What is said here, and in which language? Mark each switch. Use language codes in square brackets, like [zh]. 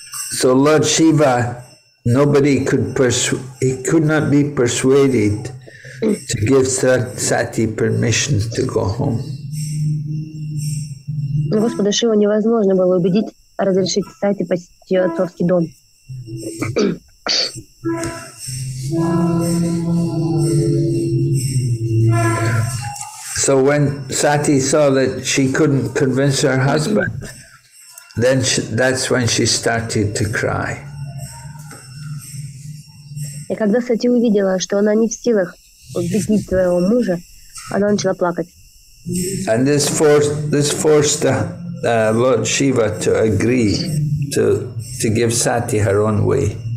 [en] So Lord Shiva, nobody could he could not be persuaded to give Sati permission to go home. [ru] Господа Шива невозможно было убедить разрешить Сати посетить ее отцовский дом. [en] So when Sati saw that she couldn't convince her husband, then that's when she started to cry. [ru] И когда Сати увидела, что она не в силах убедить твоего мужа, она начала плакать. [en] And this forced Lord Shiva to agree to give Sati her own way.